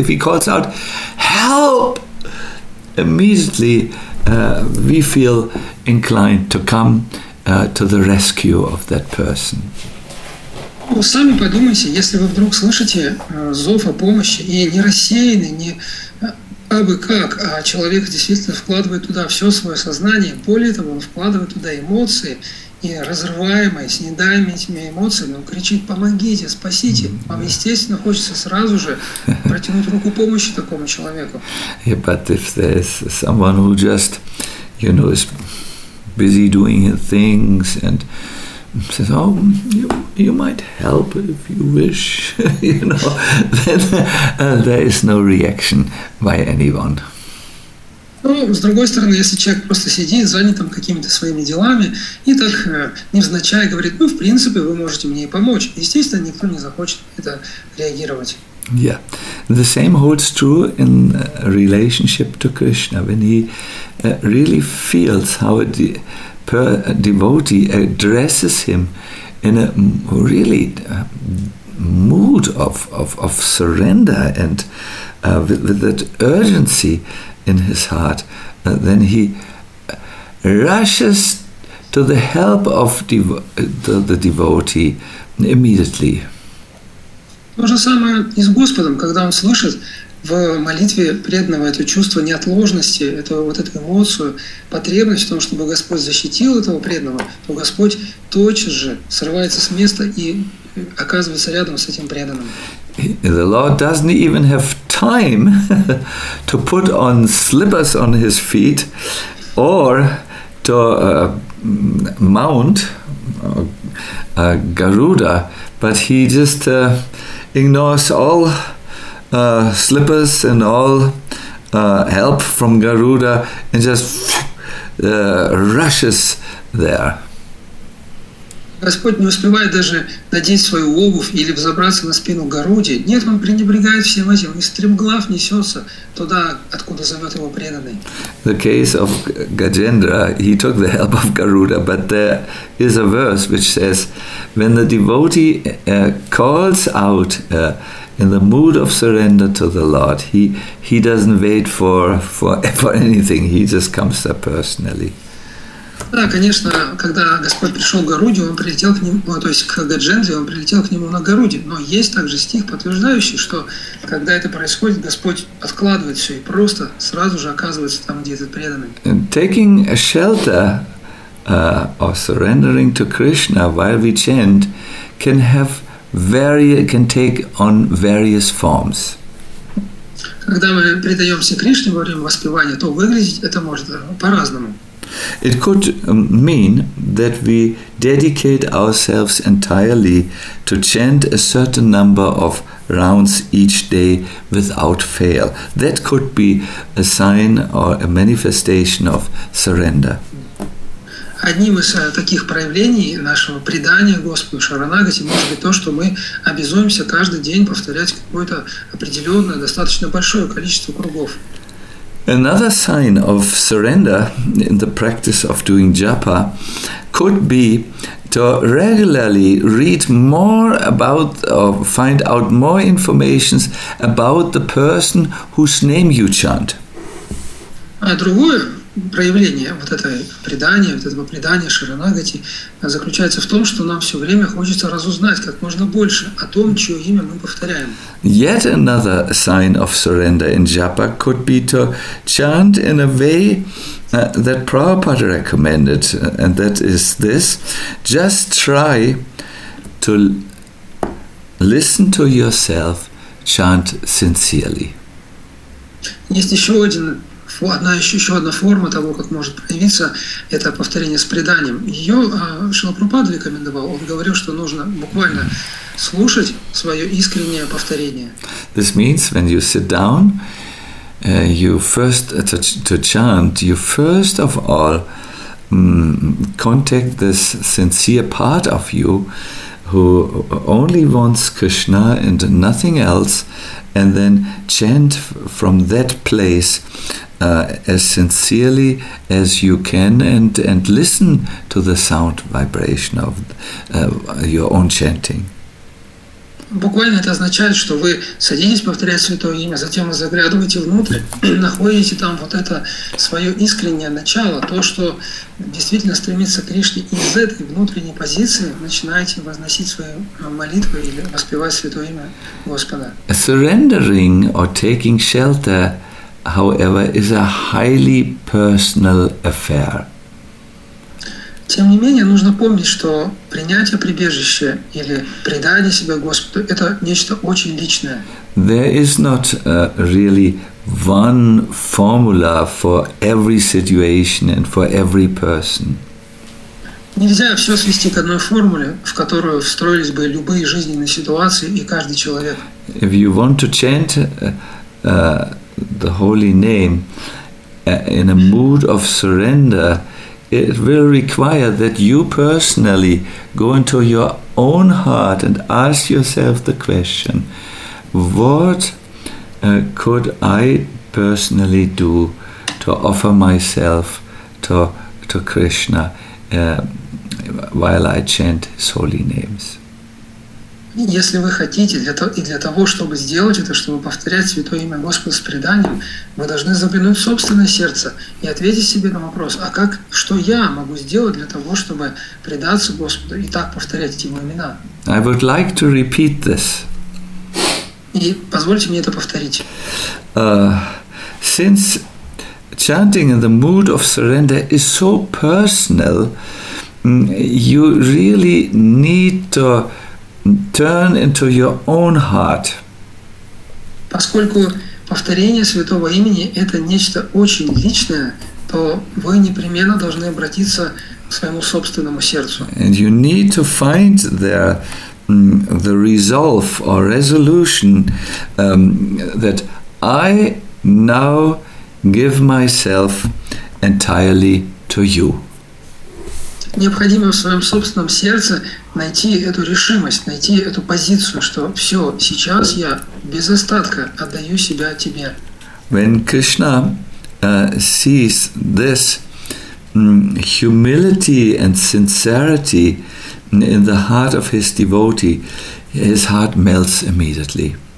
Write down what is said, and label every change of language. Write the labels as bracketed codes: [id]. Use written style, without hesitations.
[en] If he calls out, help! Immediately we feel inclined to come to the rescue of that person. [ru] Ну, сами подумайте, если вы вдруг слышите зов о помощи и не рассеянный, не абы как, а человек действительно вкладывает туда все свое сознание, более того, он вкладывает туда эмоции, и разрываемой, с недавними этими эмоциями, он кричит: «Помогите, спасите!» Вам, естественно, хочется сразу же протянуть руку помощи такому человеку. [en] Yeah, but if there's someone who just, you know, is busy doing things and says, oh, you might help if you wish, you know, then there is no reaction by anyone. [ru] Ну, с другой стороны, если человек просто сидит, занят там какими-то своими делами, и так невзначай говорит, ну, в принципе, вы можете мне и помочь, естественно, никто не захочет это реагировать. [en] Yeah. The same holds true in relationship to Krishna, when he really feels how a devotee addresses him in a really mood of surrender and with that urgency in his heart, then he rushes to the help of the devotee immediately. [ru] То же самое и с Господом, когда он слышит в молитве преданного это чувство неотложности, это вот эту эмоцию, потребность в том, чтобы Господь защитил этого преданного, то Господь тотчас же срывается с места и оказывается рядом с этим преданным. [en] The Lord doesn't even have time to put on slippers on his feet or to mount a Garuda, but he just ignores all slippers and all help from Garuda and just rushes there. [ru] Господь не успевает даже надеть свою обувь или взобраться на спину Гаруди. Нет, он пренебрегает всем этим. И стремглав несется туда, откуда зовет его преданный. [en] The case of Gajendra, he took the help of Garuda, but there is a verse which says, when the devotee calls out in the mood of surrender to the Lord, he doesn't wait for anything. He just comes there personally. [ru] Да, конечно, когда Господь пришел к Гаруди, он прилетел к нему, то есть к Гаджендре, он прилетел к нему на Гаруди. Но есть также стих, подтверждающий, что когда это происходит, Господь откладывает все и просто сразу же оказывается там, где этот преданный. [en] Taking a shelter or surrendering to Krishna while we chant can take on various forms. [ru] Когда мы предаемся Кришне во время воспевания, то выглядеть это может по-разному. [en] It could mean that we dedicate ourselves entirely to chant a certain number of rounds each day without fail. That could be a sign or a manifestation of surrender. [ru] Одним из таких проявлений нашего предания Господу Шаранагати может быть то, что мы обязуемся каждый день повторять какое-то определенное, достаточно большое количество кругов. [en] Another sign of surrender in the practice of doing japa could be to regularly read more about or find out more information about the person whose name you chant. [ru] А другое проявление вот этого предания, вот этого предания Шаранагати заключается в том, что нам все время хочется разузнать как можно больше о том, чье имя мы повторяем. [en] Yet another sign of surrender in japa could be to chant in a way that Prabhupada recommended, and that is this: just try to listen to yourself chant sincerely. [ru] Есть еще один Еще одна форма того, как может проявиться это повторение с преданием. Ее Шрила Прабхупада рекомендовал. Он говорил, что нужно буквально слушать свое искреннее повторение. [en] This means when you sit down, you first to chant, you first of all contact this sincere part of you who only wants Krishna and nothing else, and then chant from that place as sincerely as you can, and listen to the sound vibration of your own chanting. [ru] Буквально это означает, что вы садитесь повторять святое имя, затем вы заглядываете внутрь, находите там вот это свое искреннее начало, то, что действительно стремится к Кришне, и из этой внутренней позиции начинаете возносить свою молитву или воспевать святое имя Господа. [en] Surrendering or taking shelter, however, is a highly personal affair. [ru] Тем не менее, нужно помнить, что принятие прибежища или предание себя Господу – это нечто очень личное. [en] There is not really one formula for every situation and for every person. [ru] Нельзя все свести к одной формуле, в которую встроились бы любые жизненные ситуации и каждый человек. [en] If you want to chant the holy name in a mood of surrender, it will require that you personally go into your own heart and ask yourself the question, what could I personally do to offer myself to Krishna while I chant his holy names? [ru] Если вы хотите, для того, чтобы сделать это, чтобы повторять Святое Имя Господа с преданием, вы должны заглянуть в собственное сердце и ответить себе на вопрос, а как, что я могу сделать для того, чтобы предаться Господу и так повторять Его имена? [en] I would like to repeat this. [ru] И позвольте мне это повторить. [en] Since chanting in the mood of surrender is so personal, you really need to turn into your own heart. [ru] Поскольку повторение Святого Имени – это нечто очень личное, то вы непременно должны обратиться к своему собственному сердцу. [en] And you need to find there the resolve or resolution that I now give myself entirely to you. [ru] Необходимо в своем собственном сердце найти эту решимость, найти эту позицию, что все, сейчас я без остатка отдаю себя тебе. [en] When Krishna sees this humility and sincerity in the heart of his devotee, his heart melts immediately.